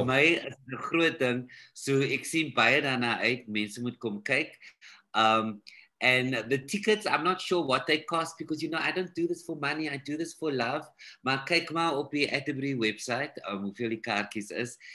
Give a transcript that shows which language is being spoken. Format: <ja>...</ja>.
<af>Vir my is dit 'n groot ding. So, ek sien baie daarna uit, mense moet kom kyk.</af> <en>And the tickets, I'm not sure what they cost because, you know, I don't do this for money. I do this for love.</en> <af>Maar kyk maar op die Atterbury website, hoeveel die kaartjies is.</af>